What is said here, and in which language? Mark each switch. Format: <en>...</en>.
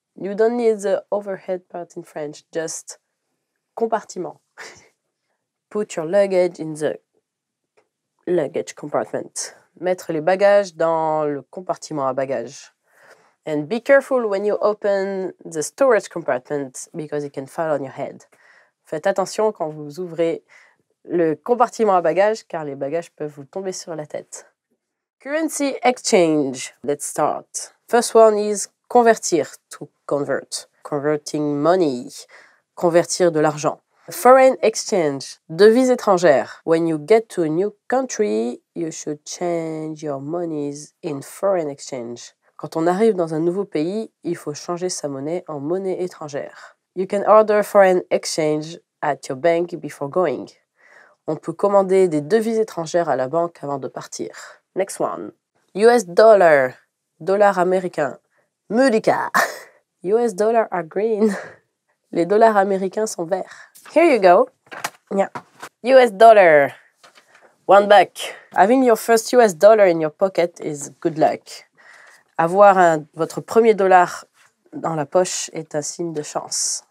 <en>You don't need the overhead part in French, just compartiment. Put your luggage in the luggage compartment.</en> <fr>Mettre les bagages dans le compartiment à bagages.</fr> <en>And be careful when you open the storage compartment because it can fall on your head.</en> <fr>Faites attention quand vous ouvrez le compartiment à bagages, car les bagages peuvent vous tomber sur la tête.</fr> <en>Currency exchange. Let's start. First one is convertir, to convert. Converting money.</en> <fr>Convertir de l'argent.</fr> <en>Foreign exchange.</en> <fr>Devise étrangère.</fr> <en>When you get to a new country, you should change your monies in foreign exchange.</en> <fr>Quand on arrive dans un nouveau pays, il faut changer sa monnaie en monnaie étrangère.</fr> <en>You can order foreign exchange at your bank before going.</en> <fr>On peut commander des devises étrangères à la banque avant de partir.</fr> <en>Next one. US dollar.</en> <fr>Dollar américain.</fr> <en>Mudica. US dollar are green.</en> <fr>Les dollars américains sont verts.</fr> <en>Here you go. Yeah. US dollar. One buck. Having your first US dollar in your pocket is good luck.</en> <fr>Avoir votre premier dollar dans la poche est un signe de chance.</fr>